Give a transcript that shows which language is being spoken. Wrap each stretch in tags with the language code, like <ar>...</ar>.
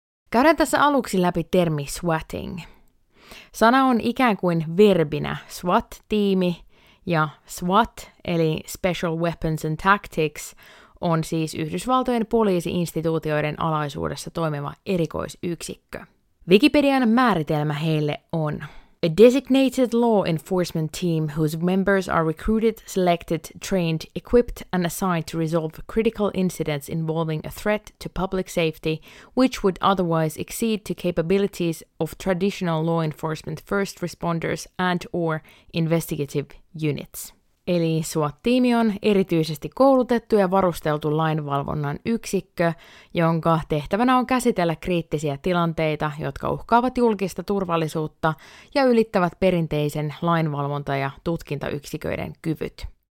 <fi>Käydään tässä aluksi läpi termi swatting. Sana on ikään kuin verbinä SWAT-tiimi ja SWAT eli Special Weapons and Tactics on siis Yhdysvaltojen poliisi-instituutioiden alaisuudessa toimiva erikoisyksikkö. Wikipedian määritelmä heille on</fi> <en>a designated law enforcement team whose members are recruited, selected, trained, equipped and assigned to resolve critical incidents involving a threat to public safety, which would otherwise exceed the capabilities of traditional law enforcement first responders and or investigative units.</en> <fi>Eli SWAT-tiimi on erityisesti koulutettu ja varusteltu lainvalvonnan yksikkö, jonka tehtävänä on käsitellä kriittisiä tilanteita, jotka uhkaavat julkista turvallisuutta ja ylittävät perinteisen lainvalvonta- ja tutkintayksiköiden kyvyt.</fi>